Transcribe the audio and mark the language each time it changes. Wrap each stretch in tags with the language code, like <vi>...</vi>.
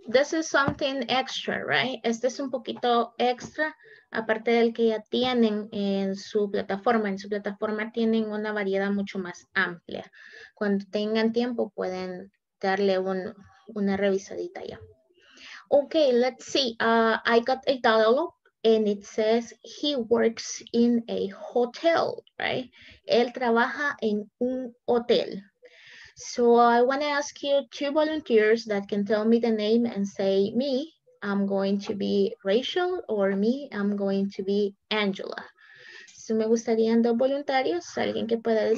<en>This is something extra, right?</en> <es>Este es un poquito extra, aparte del que ya tienen en su plataforma. En su plataforma tienen una variedad mucho más amplia. Cuando tengan tiempo, pueden darle una revisadita ya.</es> <en>Okay, let's see. I got a dialogue. And it says he works in a hotel, right?</en> <es>Él trabaja en un hotel.</es> <en>So I want to ask you two volunteers that can tell me the name and say, me, I'm going to be Rachel, or me, I'm going to be Angela.</en> <es>So me gustaría dos voluntarios, alguien que pueda decir.</es>